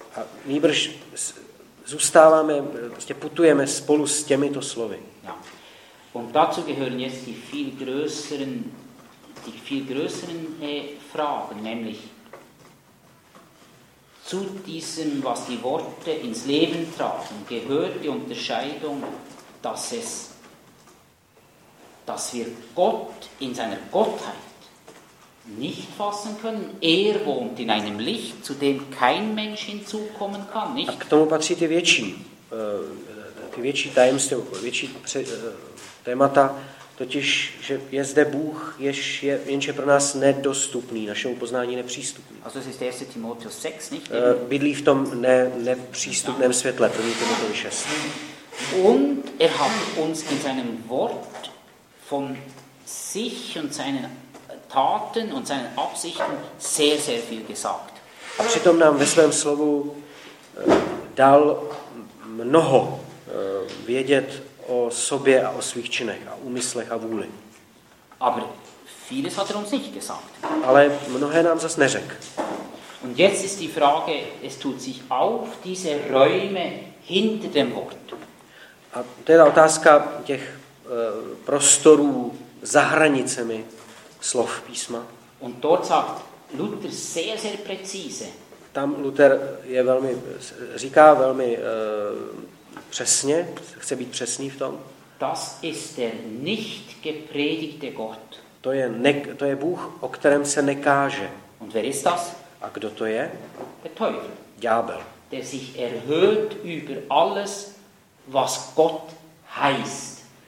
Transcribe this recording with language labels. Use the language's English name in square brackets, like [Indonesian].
[Czech] A nýbrž zůstáváme, prostě putujeme spolu s těmito slovy. [German] Ja. Und dazu gehören jetzt die viel größeren Fragen, nämlich zu diesem, was die Worte ins Leben tragen, gehört die Unterscheidung, dass wir Gott in seiner Gottheit nicht fassen können. Er wohnt in einem Licht, zu dem kein Mensch hinzukommen kann. Nicht? [Czech] A k tomu patří ty větší tajemství, větší témata, totiž, že je zde Bůh, jenž je pro nás nedostupný, našemu poznání nepřístupný. [German] Also es ist 1. Timotheus 6, nicht? [Czech] Bydlí v tom nepřístupném světle, 1. Timotheus 6. [German] Und er hat uns in seinem Wort von sich und seinen Taten und seinen Absichten sehr, sehr viel gesagt. [Czech] A přitom nám ve svém slovu dal mnoho vědět o sobě a o svých činech a úmyslech a vůli. [German] Aber vieles hat er uns nicht gesagt. [Czech] Ale mnohé nám zas neřek. [German] Und jetzt ist die Frage, es tut sich auf diese Räume hinter dem Wort. [Czech] A to je ta otázka těch prostorů za hranicemi slov písma. [German] Und dort sagt Luther sehr, sehr präzise. [Czech] Tam Luther je velmi, říká velmi přesně, chce být přesný v tom. [German] Das ist der nicht gepredigte Gott. [Czech] To je Bůh, o kterém se nekáže. [German] Und wer ist das? [Czech] A kdo to je? [German] Der Teufel. [Czech] Ďábel. [German] Der sich erhöht über alles, was Gott heißt.